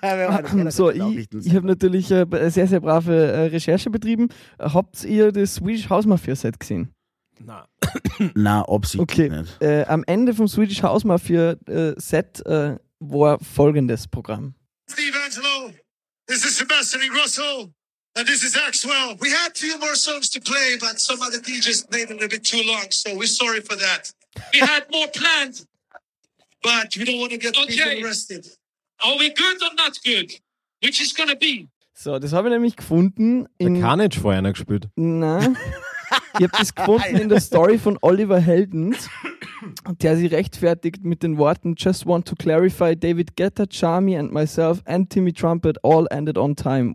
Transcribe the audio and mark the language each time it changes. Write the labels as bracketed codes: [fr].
[de] ich habe natürlich sehr, sehr brave Recherche betrieben. Habt ihr das Swedish House Mafia Set gesehen? Nein, absolut okay. nicht. Am Ende vom Swedish House Mafia Set war folgendes Programm. [en] Steve Angelo, this is Sebastian Ingrosso, and this is Axwell. We had 2 more songs to play, but some other DJs played a little bit too long, so we're sorry for that. We had more planned, but we don't want to get people arrested. Are we good or not good? Which is going to be? [de] So, das habe ich nämlich gefunden. In der Carnage vorher noch gespielt. Nein. Ich habe das gefunden in der Story von Oliver Heldens, der sich rechtfertigt mit den Worten [en] Just want to clarify, David Guetta, Charmy and myself and Timmy Trumpet all ended on time.